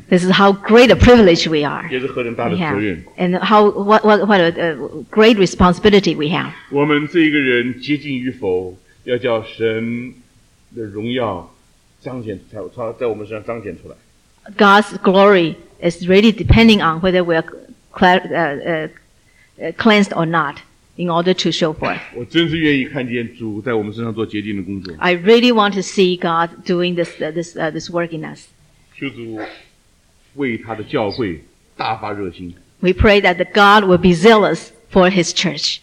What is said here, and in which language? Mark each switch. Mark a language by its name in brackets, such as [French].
[English] This is how great a privilege we are. [Chinese] 也是何等大的责任。 [English] And how what a great responsibility we have. [Chinese] 我们这一个人洁净与否，要叫神的荣耀彰显在我们身上彰显出来。 [English] God's glory is really depending on whether we are cleansed or not. In order to show forth, [Chinese] 我真是愿意看见主在我们身上做洁净的工作。 [English] I really want to see God doing this work in us. [Chinese] 求主为他的教会大发热心。 [English] We pray that God will be zealous for His church.